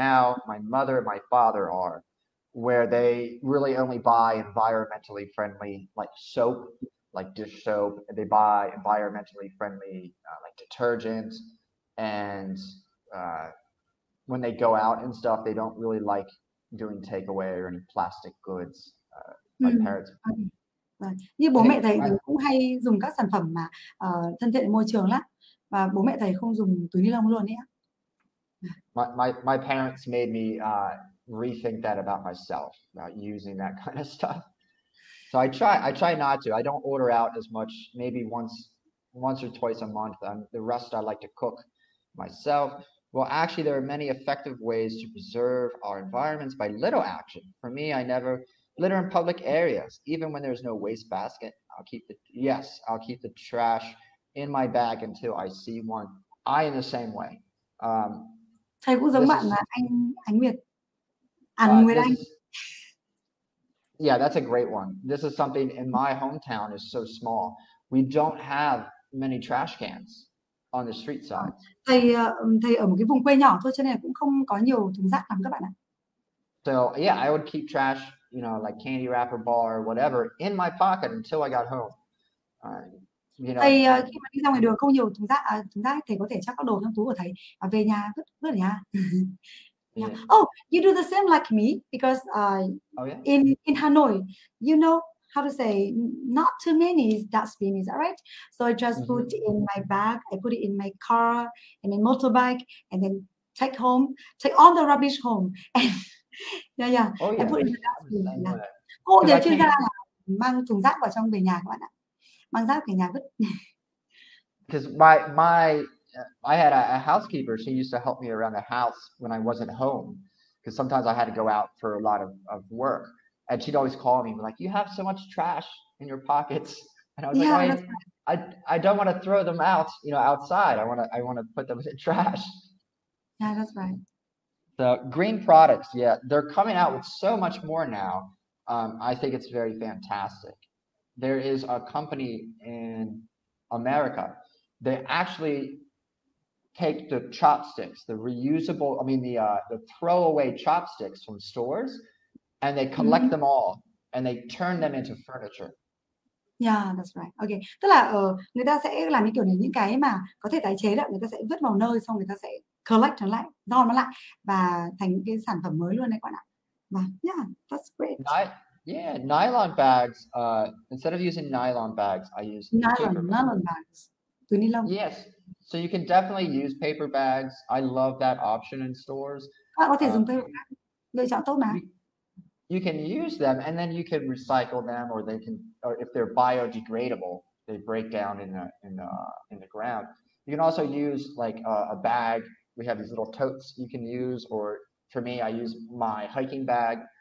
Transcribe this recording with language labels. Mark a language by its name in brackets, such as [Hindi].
[English] Now, my mother and my father are, where they really only buy environmentally friendly like soap, like dish soap. They buy environmentally friendly like detergent, and when they go out and stuff, they don't really like doing takeaway or any plastic goods. My parents, [Vietnamese] Okay. Rồi. Như [English] I [Vietnamese] bố mẹ [English] think [Vietnamese] thầy thì [English] my [Vietnamese] cũng hay dùng các sản phẩm mà thân thiện môi trường lắm và bố mẹ thầy không dùng túi ni lông luôn đấy. [English] My parents made me rethink that about myself, about using that kind of stuff. So I try not to. I don't order out as much, maybe once or twice a month. The rest I like to cook myself. Well, actually, there are many effective ways to preserve our environments by little action. For me, I never litter in public areas, even when there's no waste basket. I'll keep the trash in my bag until I see one. I in the same way. [Vietnamese] Thầy cũng giống bạn là anh Nguyệt. Nguyệt Anh. [English] Yeah, that's a great one. This is something in my hometown is so small. We don't have many trash cans on the street side. [Vietnamese] Thầy ở một cái vùng quê nhỏ thôi cho nên cũng không có nhiều thùng rác lắm các bạn ạ. [English] So, yeah, I would keep trash, you know, like candy wrapper bar or whatever in my pocket until I got home. [Vietnamese] Thầy khi mà đi ra ngoài đường không nhiều thùng rác thầy có thể chắc các đồ trong túi của thầy và về nhà vứt nhà. [English] Yeah. Oh, you do the same like me because in Hanoi, you know how to say not too many dustbin, is that right? So I just put in my bag, I put it in my car and then motorbike and then take all the rubbish home. Yeah. Oh, yeah. I put it in the dustbin. Yeah. [Vietnamese] Mang thùng rác vào trong về nhà các bạn ạ. Mang rác về nhà vứt. [English] Because I had a housekeeper. She used to help me around the house when I wasn't home, because sometimes I had to go out for a lot of work, and she'd always call me like, "You have so much trash in your pockets," and I was "I don't want to throw them out, you know, outside. I want to put them in trash." Yeah, that's right. The green products, yeah, they're coming out with so much more now. I think it's very fantastic. There is a company in America. They actually take the chopsticks, the reusable, I mean, the throwaway chopsticks from stores, and they collect them all, and they turn them into furniture. Yeah, that's right. Okay. [Vietnamese] Tức là người ta sẽ làm kiểu này, những cái mà có thể tái chế đó, người ta sẽ vứt vào nơi, xong người ta sẽ collect nó lại, gom nó lại, và thành cái sản phẩm mới luôn đấy các bạn ạ. [English] Yeah, that's great. Nylon bags, instead of using nylon bags, I use nylon bags. Yes, so you can definitely use paper bags. I love that option in stores. [Vietnamese] Có thể dùng paper bag. Lựa chọn tốt mà. [English] You can use them, and then you can recycle them, or they can, or if they're biodegradable, they break down in the ground. You can also use like a bag. We have these little totes you can use, or for me, I use my hiking bag.